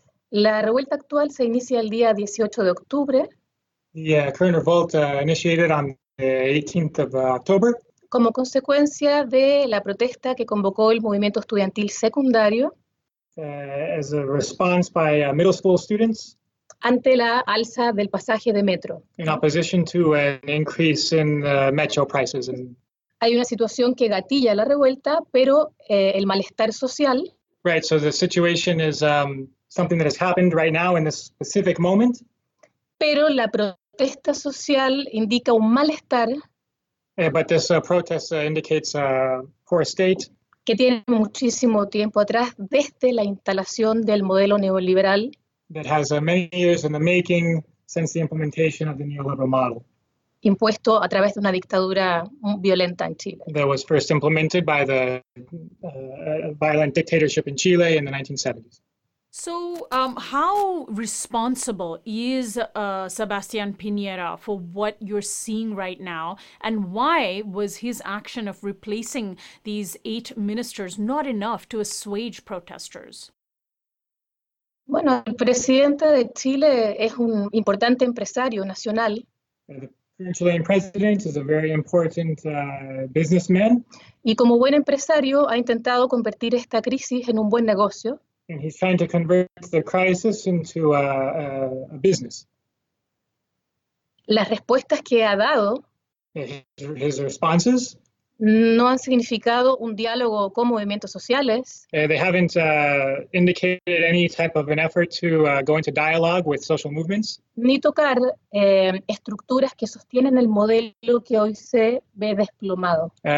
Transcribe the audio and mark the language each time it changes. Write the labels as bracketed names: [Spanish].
[Spanish] La revuelta actual se inicia el día 18 de octubre. [English] The current revolt initiated on the 18th of October. [Spanish] Como consecuencia de la protesta que convocó el movimiento estudiantil secundario. [English] As a response by middle school students. [Spanish] Ante la alza del pasaje de metro. [English] In opposition to an increase in metro prices. And [Spanish] hay una situación que gatilla la revuelta, pero el malestar social. [English] Right, so the situation is something that has happened right now in this specific moment. [Spanish] Pero la protesta social indica un malestar. [English] But this protest indicates a poor state. [Spanish] Que tiene muchísimo tiempo atrás desde la instalación del modelo neoliberal. [English] That has many years in the making since the implementation of the neoliberal model. [Spanish] Impuesto a través de una dictadura violenta en Chile. [English] That was first implemented by the violent dictatorship in Chile in the 1970s. So how responsible is Sebastián Piñera for what you're seeing right now? And why was his action of replacing these 8 ministers not enough to assuage protesters? [Spanish] Bueno, el presidente de Chile es un importante empresario nacional. [English] The Chilean president is a very important businessman. [Spanish] Y como buen empresario ha intentado convertir esta crisis en un buen negocio. [English] And he's trying to convert the crisis into a business. [Spanish] Las respuestas que ha dado, [English] his responses, [Spanish] no han significado un diálogo con movimientos sociales. [English] They haven't indicated any type of an effort to go into dialogue with social movements. [Spanish] Ni tocar estructuras que sostienen el modelo que hoy se ve desplomado.